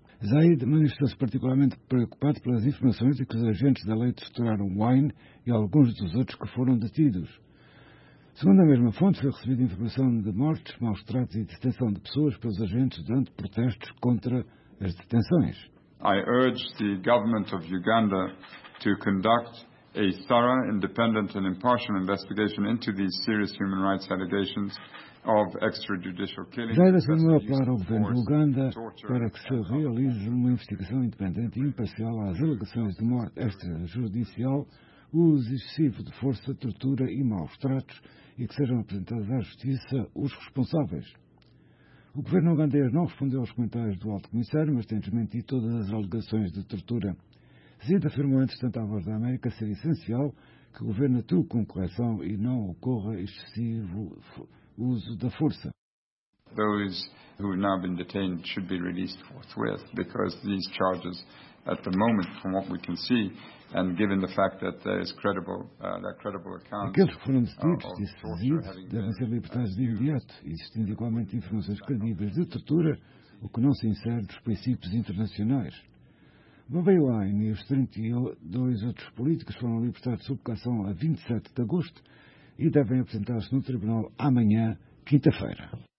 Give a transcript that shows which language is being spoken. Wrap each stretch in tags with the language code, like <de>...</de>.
<pt>Zaid manifestou-se particularmente preocupado pelas informações de que os agentes da lei torturaram Wine e alguns dos outros que foram detidos. Segundo a mesma fonte, foi recebida informação de mortes, maus-tratos e detenção de pessoas pelos agentes durante protestos contra as detenções.</pt> <en>I urge the government of Uganda to conduct a thorough, independent and impartial investigation into these serious human rights allegations of extrajudicial killings.</en> <pt>Zaid assinou a palavra ao governo de Uganda para que se realize uma investigação independente e imparcial às alegações de morte extrajudicial, uso excessivo de força, tortura e maus-tratos e que sejam apresentados à justiça os responsáveis. O governo ugandês não respondeu aos comentários do alto comissário, mas tem desmentido todas as alegações de tortura. Zaid afirmou, entretanto, à Voz da América ser essencial que o governo atue com correção e não ocorra excessivo uso da força.</pt> <en>Those who have now been detained should be released forthwith, because these charges at the moment, from what we can see, and given the fact that there is credible accounts.</en> <pt>Aqueles que foram detidos, disse Zaid, devem ser libertados de imediato, existindo igualmente informações credíveis de tortura, o que não se insere nos princípios internacionais. Bobi Wine e os 32 outros políticos foram libertados sob cação a 27 de agosto e devem apresentar-se no tribunal amanhã, quinta-feira.</pt>